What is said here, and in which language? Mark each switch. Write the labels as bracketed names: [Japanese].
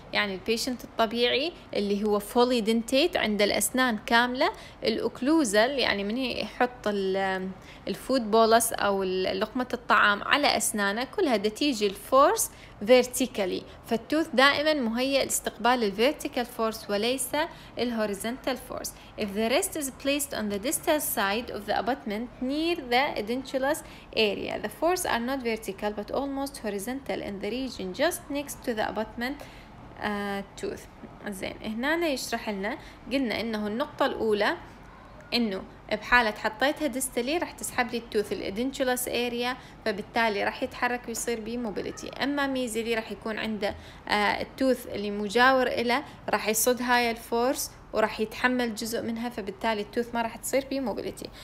[Arabic] يعني البيشنت الطبيعي اللي هو [English] fully dentate [Arabic] عند الأسنان كاملة الأوكلوزل يعني من يحط الفود بولس أو لقمة الطعام على أسنانه كلها تيجي الفورس vertically فالتوث دائما مهيئ لاستقبال الvertical force وليس الhorizontal force. [English] If the rest is placed on the distal side of the abutment near the edentulous area the force are not vertical but almost horizontal in the region just next to the abutment tooth. [Arabic] زين هنا يشرح لنا قلنا انه النقطة الاولى انه بحالة حطيتها ديستالي راح تسحب لي التوث الادنتولس اريا فبالتالي راح يتحرك ويصير بي موبيليتي. اما ميزلي راح يكون عنده التوث اللي مجاور له راح يصد هاي الفورس وراح يتحمل جزء منها فبالتالي التوث ما راح تصير بي موبيليتي.